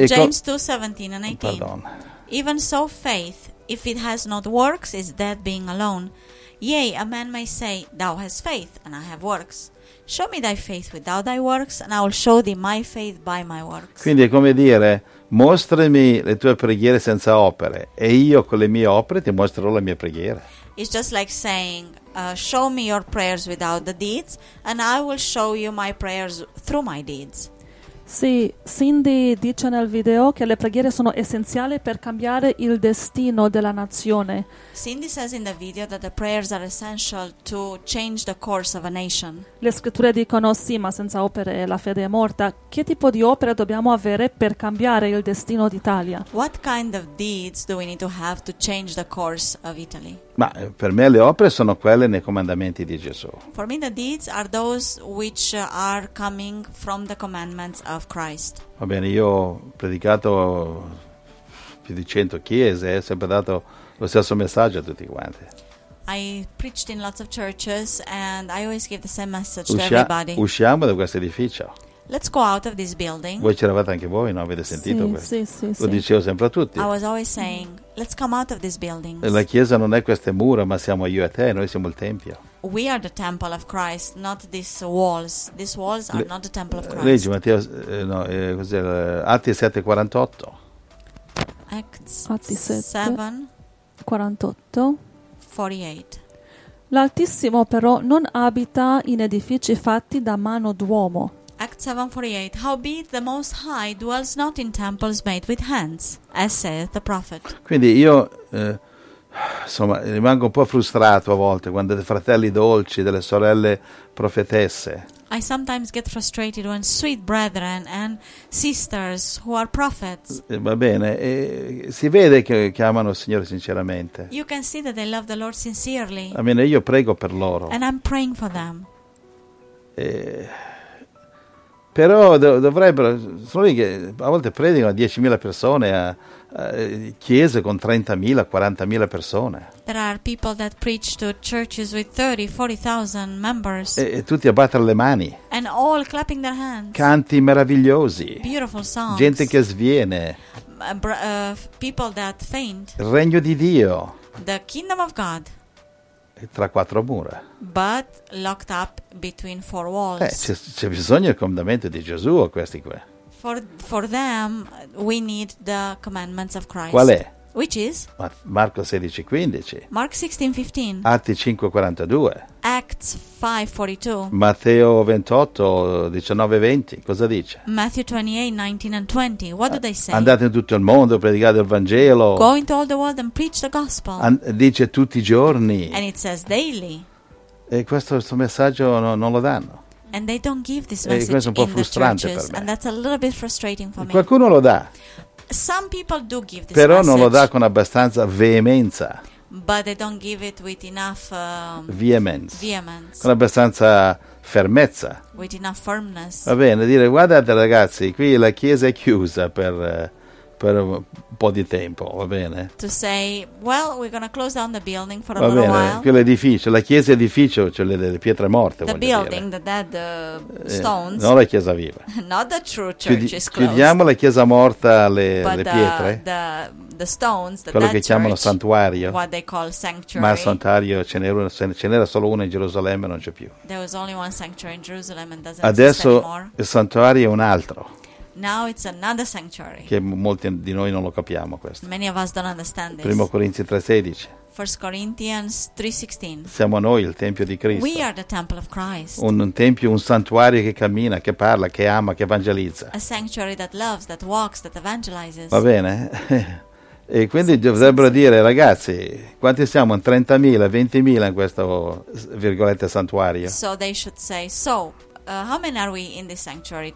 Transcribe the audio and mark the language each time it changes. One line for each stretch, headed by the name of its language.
English: James 2:17 and 18. Pardon. Even so faith, if it has not works, is dead being alone. Yea, a man may say, thou hast faith, and I have works. Show me thy faith without thy works, and I will show thee my faith by my works.
Italian: Quindi è come dire, mostrami le tue preghiere senza opere, e io con le mie opere ti mostrerò la mia preghiera.
English: It's just like saying, show me your prayers without the deeds, and I will show you my prayers through my deeds.
Italian: Sì, Cindy dice nel video che le preghiere sono essenziali per cambiare il destino della nazione.
English: Cindy says in the video that the prayers are essential to change the course of a nation.
Italian: Le scritture dicono sì, ma senza opere la fede è morta. Che tipo di opere dobbiamo avere per cambiare il destino d'Italia?
English: What kind of deeds do we need to have to change the course of Italy?
Italian: Ma per me le opere sono quelle nei comandamenti di Gesù.
English: For me the deeds are those which are coming from the commandments of Christ.
Italian: Va bene, io ho predicato più di 100 chiese, ho sempre dato lo stesso messaggio a tutti quanti.
English: I preached in lots of churches and I always give the same message to everybody.
Italian: Usciamo da questo edificio.
English: Let's go out of this building.
Italian: Voi c'eravate anche voi, no? Avete sentito sì, questo? Sì, sì, lo sì. Dicevo sempre a tutti.
English: I was always saying, let's come out of this building.
Italian: La chiesa non è queste mura, ma siamo io e te, noi siamo il tempio.
English: We are the temple of Christ, not these walls. These walls are not the temple of Christ.
Italian: Leggi Matteo, no, cos'è? Atti 7, 48. Atti 7, 48. L'Altissimo però non abita in edifici fatti da mano d'uomo.
English: Acts 7:48. Howbeit the Most High dwells not in temples made with hands, as saith the prophet.
Italian: Quindi io, insomma, rimango un po' frustrato a volte quando dei fratelli dolci, delle sorelle profetesse.
English: I sometimes get frustrated when sweet brethren and sisters who are prophets.
Italian: Va bene, e si vede che amano il Signore sinceramente.
English: You can see that they love the Lord sincerely.
Italian: Va bene, io prego per loro.
English: And I'm praying for them.
Italian: Però dovrebbero, sono lì che a volte predicano a 10.000 persone, a chiese con 30.000, 40.000 persone.
English: There are people that preach to churches with 30, 40,000 members.
Italian: E tutti a battere le mani.
English: And all clapping their hands.
Italian: Canti meravigliosi.
English: Beautiful songs.
Italian: Gente che sviene.
English: People that faint.
Italian: Regno di Dio.
English: The kingdom of God.
Italian: Tra quattro mura.
English: But locked up between four walls.
Italian: C'è bisogno del comandamento di Gesù a questi qua.
English: For them we need the commandments of Christ.
Italian: Qual è?
English: Which is?
Italian: Marco 16:15.
English: Mark 16:15.
Italian: Atti 5:42.
English: Acts 5:42.
Italian: Matteo 28:19-20. Cosa dice?
English: Matthew 28:19-20. What do they say?
Italian: Andate in tutto il mondo, predicate il Vangelo.
English: Go into all the world and preach the gospel.
Italian: Dice tutti i giorni.
English: And it says daily.
Italian: E questo messaggio non lo danno.
English: And they don't give this message.
Italian: E questo è un po' frustrante per me.
English: And that's a little bit frustrating for me.
Italian: Qualcuno lo dà.
English: Some people do give this
Italian: Però
English: message.
Italian: Non lo dà con abbastanza veemenza.
English: But they don't give it with enough vehemence.
Italian: Con abbastanza fermezza.
English: With enough firmness.
Italian: Va bene, dire guardate ragazzi, qui la chiesa è chiusa per un po' di tempo, va bene?
English: To say, well, we're going to close down the building for a
Italian: va
English: little
Italian: bene,
English: while.
Italian: Quell'edificio, la chiesa è edificio, cioè le pietre morte,
English: the building,
Italian: dire.
English: The dead stones.
Italian: Non la chiesa viva.
English: Not the true church is closed.
Italian: Chiudiamo la chiesa morta, le pietre.
English: The stones, the
Italian: quello
English: dead
Italian: che chiamano
English: church,
Italian: santuario.
English: What they call sanctuary.
Italian: Ma il santuario ce n'era solo uno in Gerusalemme, non c'è più.
English: There was only one sanctuary in Jerusalem and doesn't
Italian: Adesso
English: exist anymore.
Italian: Adesso il santuario è un altro.
English: Now it's another sanctuary.
Italian: Che molti di noi non lo capiamo questo.
English: Many of us don't understand this.
Italian: Primo Corinzi 3:16.
English: First Corinthians 3:16.
Italian: Siamo noi il tempio di Cristo.
English: We are the temple of Christ.
Italian: Un tempio, un santuario che cammina, che parla, che ama, che evangelizza.
English: A sanctuary that loves, that walks, that evangelizes.
Italian: Va bene. E quindi dovrebbero dire, ragazzi, quanti siamo? 30.000, 20.000 in questo virgolette santuario.
English: So they should say, how many are we in this sanctuary?